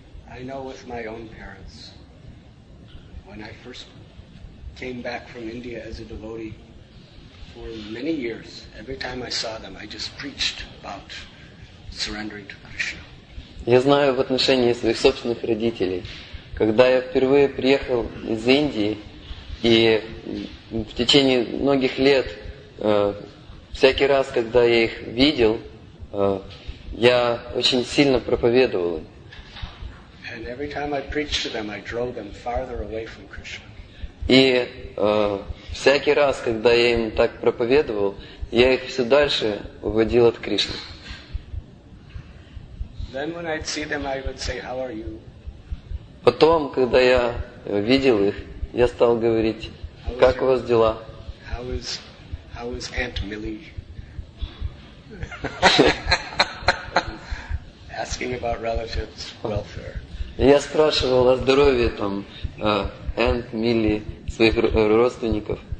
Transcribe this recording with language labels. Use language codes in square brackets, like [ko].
[en] I know with my own parents, when I first came back from India as a devotee, for many years, every time I saw them, I just preached about surrendering to Krishna. [ru] Я знаю в отношении своих собственных родителей, когда я впервые приехал из Индии, и в течение многих лет, всякий раз, когда я их видел, я очень сильно проповедовал им. [en] And every time I preached to them, I drove them farther away from Krishna. [ru] И всякий раз, когда я им так проповедовал, я их все дальше уводил от Кришны. [en] Then when I'd see them, I would say, "How are you?" [ru] Потом, когда я видел их, я стал говорить, "Как у вас дела?" [en] How is Aunt Millie? Asking about relatives' welfare. [ru] Я спрашивал о здоровье там Энд, Милли, своих родственников.